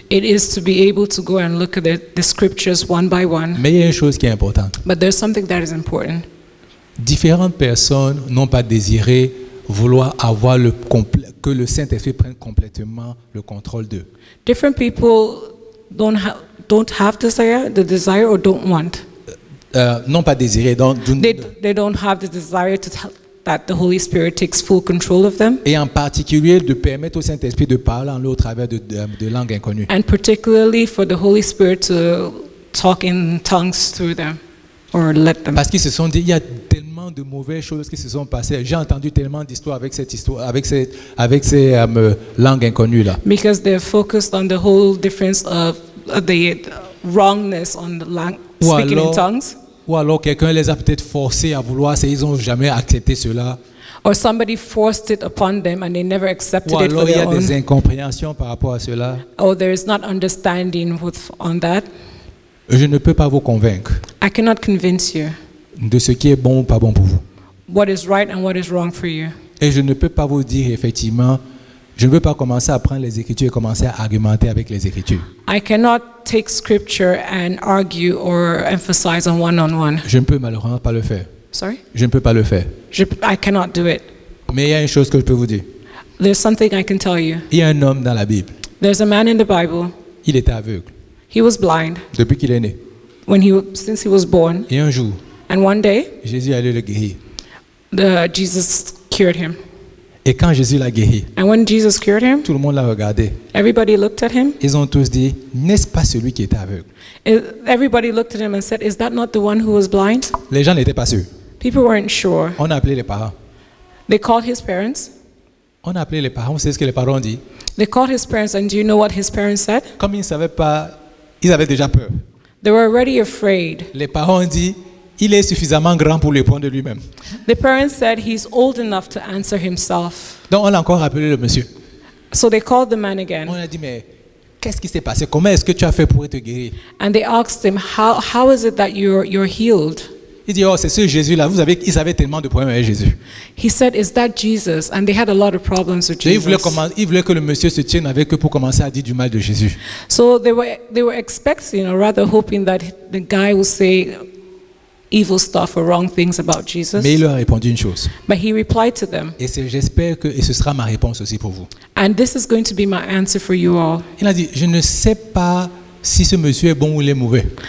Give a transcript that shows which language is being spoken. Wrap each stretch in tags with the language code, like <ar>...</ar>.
<en>It is to be able to go and look at the scriptures one by one.</en> <fr>Mais il y a une chose qui est importante.</fr> <en>But there's something that is important.</en> <fr>Différentes personnes n'ont pas désiré vouloir avoir que le Saint-Esprit prenne complètement le contrôle d'eux.</fr> <en>Different people don't have the desire or don't want.</en> <fr>Non pas désiré.</fr> <en>They don't have the desire to that the Holy Spirit takes full control of them.</en> <fr>Et en particulier de permettre au Saint-Esprit de parler en eux au travers de langues inconnues.</fr> <en>And particularly for the Holy Spirit to talk in tongues through them or let them.</en> <fr>Parce qu'ils se sont dit il y a de mauvaises choses qui se sont passées. J'ai entendu tellement d'histoires avec cette histoire, avec ces langues inconnues là.</fr> <en>Because they're focused on the whole difference of the wrongness on the speaking</en> <fr>alors,</fr> <en>in tongues.</en> <fr>Ou alors quelqu'un les a peut-être forcés à vouloir, c'est ils ont jamais accepté cela.</fr> <en>Or somebody forced it upon them and they never accepted</en> <fr>alors,</fr> <en>it for their own.</en> <fr>Ou alors il y a des incompréhensions par rapport à cela.</fr> <en>Or there is not understanding with on that.</en> <fr>Je ne peux pas vous convaincre.</fr> <en>I cannot convince you.</en> <fr>De ce qui est bon ou pas bon pour vous.</fr> <en>What is right and what is wrong for you.</en> <fr>Et je ne peux pas vous dire effectivement, je ne peux pas commencer à prendre les Écritures et commencer à argumenter avec les Écritures.</fr> <en>I cannot take scripture and argue or emphasize on one-on-one.</en> <fr>Je ne peux malheureusement pas le faire.</fr> <en>Sorry?</en> <fr>Je ne peux pas le faire.</fr> <en>I cannot do it.</en> <fr>Mais il y a une chose que je peux vous dire.</fr> <en>There's something I can tell you.</en> <fr>Il y a un homme dans la Bible.</fr> <en>There's a man in the Bible.</en> <fr>Il était aveugle.</fr> <en>He was blind.</en> <fr>Depuis qu'il est né.</fr> <en>Since he was born.</en> <fr>Et un jour.</fr> <en>And one day.</en> <fr>Jésus allait le guérir.</fr> <en>Jesus cured him.</en> <fr>Et quand Jésus l'a guéri.</fr> <en>And when Jesus cured him.</en> <fr>Tout le monde l'a regardé.</fr> <en>Everybody looked at him.</en> <fr>Ils ont tous dit, n'est-ce pas celui qui était aveugle?</fr> <en>Everybody looked at him and said, is that not the one who was blind?</en> <fr>Les gens n'étaient pas sûrs.</fr> <en>People weren't sure.</en> <fr>On a appelé les parents.</fr> <en>They called his parents.</en> <fr>On a appelé les parents. C'est ce que les parents ont dit.</fr> <en>They called his parents, and do you know what his parents said?</en> <fr>Comme ils ne savaient pas, ils avaient déjà peur.</fr> <en>They were already afraid.</en> <fr>Les parents ont dit, il est suffisamment grand pour le prendre lui-même.</fr> <en>The parents said he's old enough to answer himself.</en> <fr>Donc on l'a encore appelé le monsieur.</fr> <en>So they called the man again.</en> <fr>On a dit, mais qu'est-ce qui s'est passé? Comment est-ce que tu as fait pour te guérir?</fr> <en>And they asked him, how is it that you're healed?</en> <fr>Il dit, oh, c'est ce Jésus-là. Vous savez, ils avaient tellement de problèmes avec Jésus.</fr> <en>He said, is that Jesus? And they had a lot of problems with Jesus.</en> <fr>Ils voulaient que le monsieur se tienne avec eux pour commencer à dire du mal de Jésus.</fr> <en>So they were expecting, or rather hoping, that the guy will say evil stuff or wrong things about Jesus.</en> <fr>Mais il leur a répondu une chose.</fr> <en>But he replied to them.</en> <fr>Et c'est, j'espère que, et ce sera ma réponse aussi pour vous.</fr> <en>And this is going to be my answer for you all.</en> <fr>Il a dit, je ne sais pas si ce monsieur est bon ou il est mauvais.</fr>